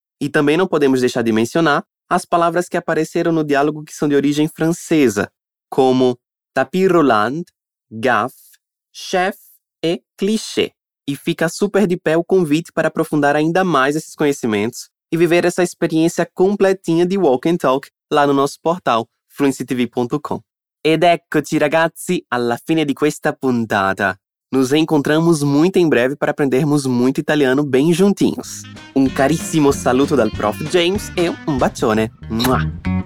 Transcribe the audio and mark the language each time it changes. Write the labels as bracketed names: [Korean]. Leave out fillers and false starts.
[Portuguese] E também não podemos deixar de mencionar as palavras que apareceram no diálogo que são de origem francesa, como tapis roulant, gaffe, chef e cliché. E fica super de pé o convite para aprofundar ainda mais esses conhecimentos e viver essa experiência completinha de walk and talk lá no nosso portal fluencytv.com. [Italian] Ed eccoci ragazzi alla fine di questa puntata. [Portuguese] Nos encontramos muito em breve para aprendermos muito italiano bem juntinhos. Um caríssimo [Italian] saluto dal [Portuguese] prof. James e um bacione. Mua!